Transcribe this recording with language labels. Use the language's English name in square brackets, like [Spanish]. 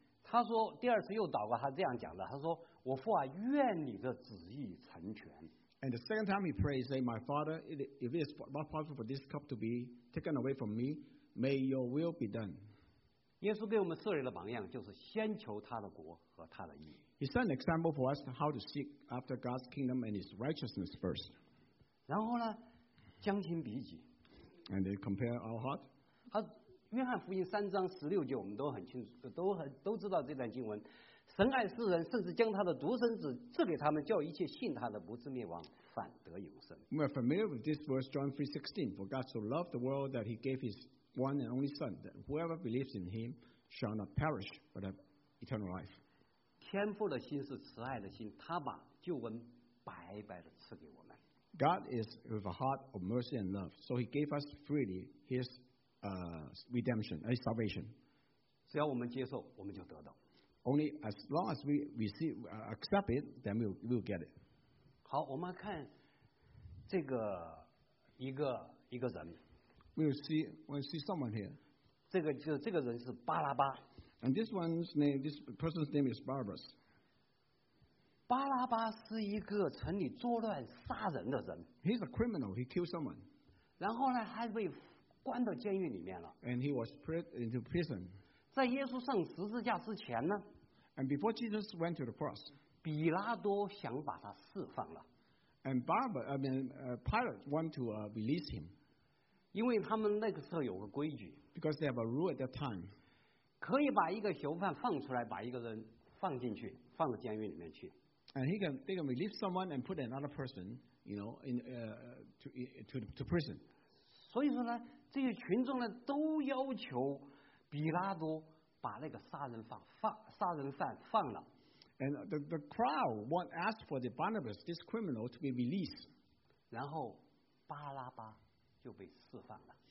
[Chinese] 他说第二次又祷告，他这样讲的，他说，我父啊，愿你的旨意成全。 [English] And the second time he prayed, saying, my father, if it's not possible for this cup to be taken away from me, may your will be done. [Chinese] 耶稣给我们设立的榜样，就是先求他的国和他的义。 [English] He set an example for us how to seek after God's kingdom and his righteousness first. [Chinese] 然后呢，将心比己。 [English] And they compare our heart. [Chinese] 他约翰福音三章十六节，我们都很清楚，都知道这段经文。神爱世人，甚至将他的独生子赐给他们，叫一切信他的不至灭亡，反得永生。 [English] We are familiar with this verse, John 3:16. For God so loved the world that he gave his one and only Son, that whoever believes in him shall not perish, but have eternal life. [Chinese] 天父的心是慈爱的心，他把救恩白白的赐给我们。 [English] God is with a heart of mercy and love, so he gave us freely his redemption, his salvation. [Chinese] 只要我们接受，我们就得到。 [English] Only as long as we receive, accept it, then we'll get it. [Chinese] 好，我们来看这个一个人。 [English] We'll see someone here. [Chinese] 这个人是巴拉巴。 [English] And this person's name is Barabbas. [Chinese] 巴拉巴是一个城里作乱杀人的人。 [English] He's a criminal. He killed someone. [Chinese] 然后呢，还被关到监狱里面了。 [English] And he was put into prison. [Chinese] 在耶稣上十字架之前呢， [English] And before Jesus went to the cross, [Chinese] 比拉多想把他释放了。 [English] And Pilate wanted to release him. [Chinese] 因为他们那个时候有个规矩。 [English] Because they have a rule at that time. [Chinese] 可以把一个囚犯放出来，把一个人放进去，放到监狱里面去。 [English] And they can release someone and put another person, you know, to prison. [Chinese] 所以说呢，这些群众呢都要求。比拉多把那个杀人犯放了。 [English] And the crowd want asked for the Barnabas, this criminal, to be released. [Chinese] 然后巴拉巴就被释放了。